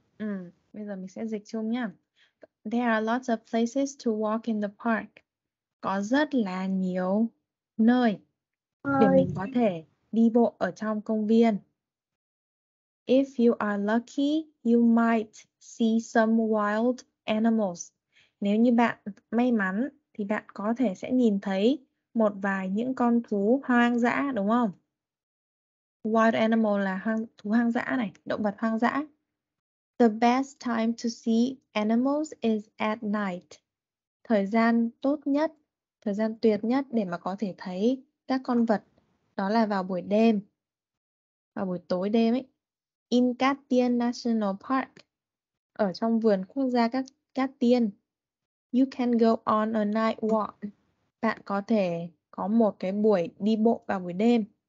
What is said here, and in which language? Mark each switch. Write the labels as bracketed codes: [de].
[vi] Ừ, bây giờ mình sẽ dịch chung nhá. [en] There are lots of places to walk in the park. [vi] Có rất là nhiều nơi để mình có thể đi bộ ở trong công viên. [en] If you are lucky, you might see some wild animals. [vi] Nếu như bạn may mắn thì bạn có thể sẽ nhìn thấy một vài những con thú hoang dã, đúng không? Wild animal là thú hoang dã này, động vật hoang dã. [en] The best time to see animals is at night. [vi] Thời gian tốt nhất, thời gian tuyệt nhất để mà có thể thấy các con vật đó là vào buổi đêm. Vào buổi tối đêm ấy. [en] In Cát Tiên National Park. [vi] Ở trong vườn quốc gia các Cát Tiên. [en] You can go on a night walk. [vi] Bạn có thể có một cái buổi đi bộ vào buổi đêm.